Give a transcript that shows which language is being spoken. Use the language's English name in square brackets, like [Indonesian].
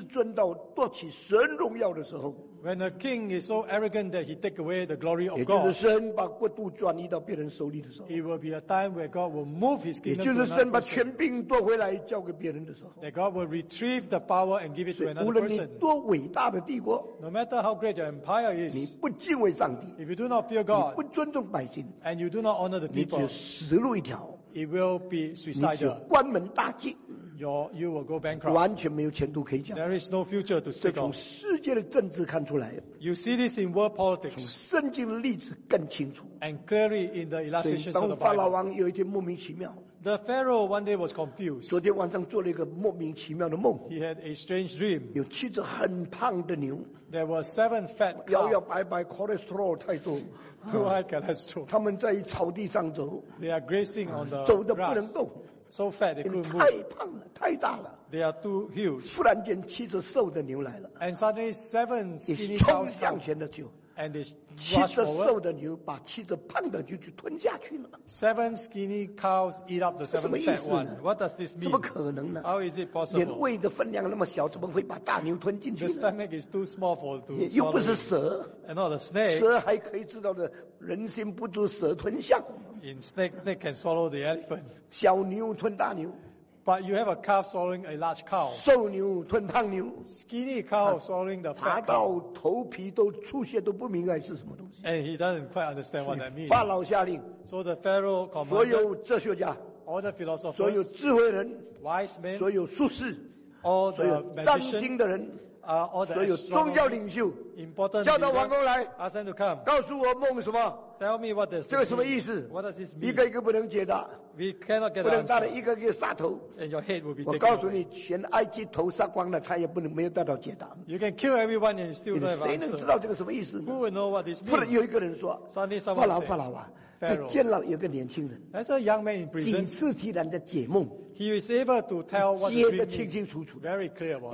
[Chinese] 等一个君王已经自傲自尊到夺取神荣耀的时候, [English] when a king is so arrogant that he takes away the glory of God, [Chinese] 也就是神把国度转移到别人手里的时候, [English] it will be a time where God will move his kingdom. [Chinese] 也就是神把权柄夺回来交给别人的时候, [English] that God will retrieve the power and give it to another person. [Chinese] 无论你多伟大的帝国, [English] no matter how great your empire is, [Chinese] 你不敬畏上帝, [English] if you do not fear God, [Chinese] 你不尊重百姓, [English] and you do not honor the people, [Chinese] 你只有死路一条, [English] it will be suicidal. [Chinese] 你只关门大吉, [English] you will go bankrupt. [Chinese] 完全没有前途可以讲, [English] there is no future to speak of. [Chinese] 从世界的政治看出来, [English] you see this in world politics. [Chinese] 从圣经的例子更清楚, [English] and clearly in the illustrations of the Bible. [Chinese] 当法老王有一天莫名其妙, [English] the Pharaoh one day was confused. [Chinese] 昨天晚上做了一个莫名其妙的梦, [English] he had a strange dream. [Chinese] 有七只很胖的牛, [English] there were seven fat cows. [Chinese] 摇摇摆摆, cholesterol 太多, [English] too high cholesterol. [Chinese] 他们在草地上走, [English] they are grazing on the [Chinese] 走得不能动, [English] so fat they couldn't move. [Chinese] 太胖了, 太大了, [English] they are too huge. [Chinese] 突然间七只瘦的牛来了, [English] and suddenly seven skinny cows, [Chinese] 冲向前的就, [English] and they [Chinese] 七只瘦的牛把七只胖的就吞下去了。 [English] Seven skinny cows eat up the seven fat one. What does this mean? [Chinese] 怎么可能呢? [English] How is it possible? [Chinese] 连胃的分量那么小, 怎么会把大牛吞进去呢? [English] The stomach is too small for to. [Chinese] 又不是蛇, [English] and not a snake. [Chinese] 蛇还可以知道的, 人心不足蛇吞象。 [English] In snake, snake can swallow the elephant. [Chinese] 小牛吞大牛, [English] but you have a calf swallowing a large cow. [Chinese] 瘦牛吞胖牛, [English] skinny cow swallowing the fat cow. [Chinese] 爬到头皮都出血都不明白是什么东西, [English] and he doesn't quite understand what that means. [Chinese] 法老下令, [English] so the Pharaoh commanded, [Chinese] 所有哲学家, [English] all the philosophers, [Chinese] 所有智慧人, [English] wise men, [Chinese] 所有术士, [English] all the magicians, [Chinese] 所有占星的人, [English] all the [Chinese] 所有宗教领袖, [English] important [Chinese] 叫到王宫来, [English] ask them to come, [Chinese] 告诉我梦什么, [English] tell me what this [Chinese] 这个什么意思? [English] What does this mean? [Chinese] 一个一个不能解答, [English] we cannot get [Chinese] 不能大的一个一个杀头, [English] and your head will be taken. [Chinese] 我告诉你, 全埃及头杀光了, 他也不能没有带到解答, [English] you can kill everyone and still don't have answer. [Chinese] 谁能知道这个什么意思? [English] Who will know what this means? [Chinese] 突然有一个人说, [English] suddenly someone said, [Chinese] 法老啊, 在监牢有个年轻人, [English] as a young man in prison, [Chinese] 几次替人家解梦, [English] he is able to tell what the dream is very clear about,